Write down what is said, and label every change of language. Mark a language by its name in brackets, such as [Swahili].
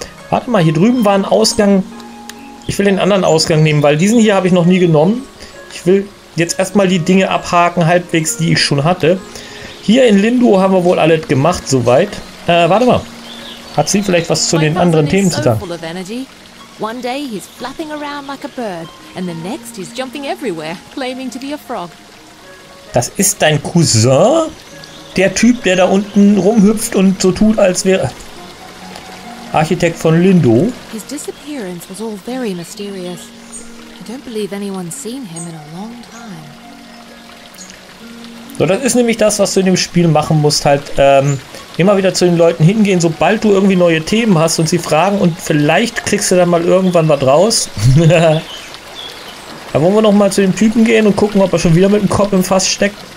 [German] Warte mal, hier drüben war ein Ausgang. Ich will den anderen Ausgang nehmen, weil diesen hier habe ich noch nie genommen. Ich will jetzt erstmal die Dinge abhaken, halbwegs, die ich schon hatte. Hier in Lindo haben wir wohl alles gemacht, soweit. Warte mal. Hat sie vielleicht was zu den anderen Themen zu sagen? [English] One day he's flapping around like a bird, and the next he's jumping everywhere, claiming to be a frog. [German] Das ist dein Cousin? Der Typ, der da unten rumhüpft und so tut, als wäre Architekt von Lindo. [English] His disappearance was all very mysterious. I don't believe anyone's seen him in a long time. [German] So, das ist nämlich das, was du in dem Spiel machen musst, halt immer wieder zu den Leuten hingehen, sobald du irgendwie neue Themen hast und sie fragen und vielleicht kriegst du dann mal irgendwann was raus. Da wollen wir nochmal zu dem Typen gehen und gucken, ob er schon wieder mit dem Kopf im Fass steckt.